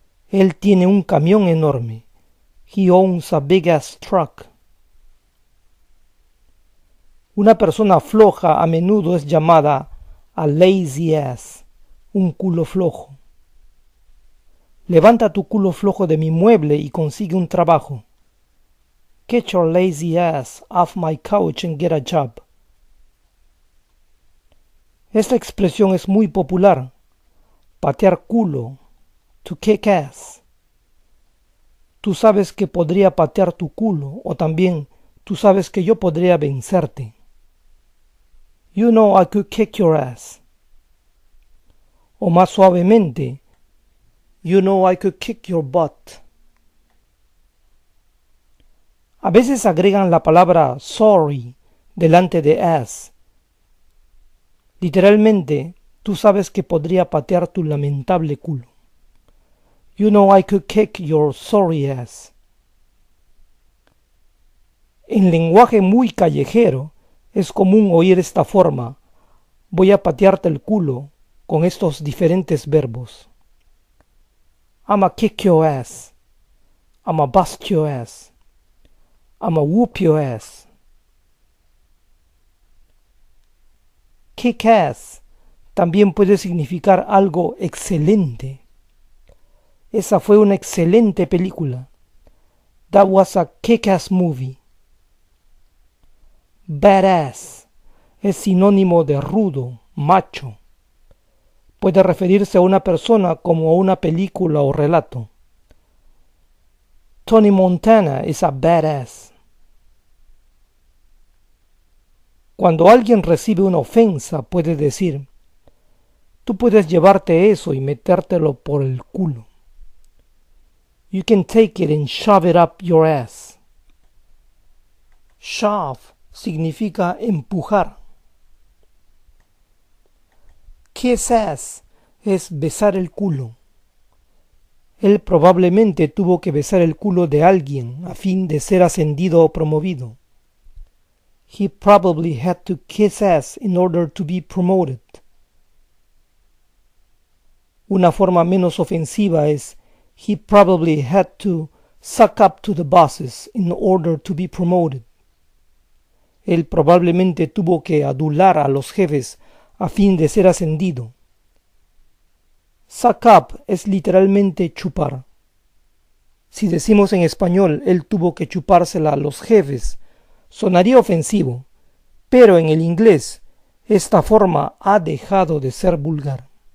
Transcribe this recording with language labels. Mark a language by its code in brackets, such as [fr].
[es] Él tiene un camión enorme. [en] He owns a big ass truck. [es] Una persona floja a menudo es llamada [en] a lazy ass, [es] un culo flojo. Levanta tu culo flojo de mi mueble y consigue un trabajo. [en] Get your lazy ass off my couch and get a job. [es] Esta expresión es muy popular. Patear culo. [en] To kick ass. [es] Tú sabes que podría patear tu culo, o también tú sabes que yo podría vencerte. [en] You know I could kick your ass. [es] O más suavemente, [en] you know I could kick your butt. [es] A veces agregan la palabra sorry delante de ass. Literalmente, tú sabes que podría patear tu lamentable culo. [en] You know I could kick your sorry ass. [es] En lenguaje muy callejero, es común oír esta forma: voy a patearte el culo, con estos diferentes verbos. [en] I'ma kick your ass. I'ma bust your ass. I'ma whoop your ass. [es] Kick ass también puede significar algo excelente. Esa fue una excelente película. [en] That was a kick-ass movie. [es] Badass es sinónimo de rudo, macho. Puede referirse a una persona como a una película o relato. [en] Tony Montana is a badass. [es] Cuando alguien recibe una ofensa, puede decir: tú puedes llevarte eso y metértelo por el culo. [en] You can take it and shove it up your ass. [es] Shove significa empujar. Kiss ass es besar el culo. Él probablemente tuvo que besar el culo de alguien a fin de ser ascendido o promovido. [en] He probably had to kiss ass in order to be promoted. [es] Una forma menos ofensiva es: [en] he probably had to suck up to the bosses in order to be promoted. [es] Él probablemente tuvo que adular a los jefes a fin de ser ascendido. Suck up es literalmente chupar. Si decimos en español: él tuvo que chupársela a los jefes, sonaría ofensivo, pero en el inglés esta forma ha dejado de ser vulgar.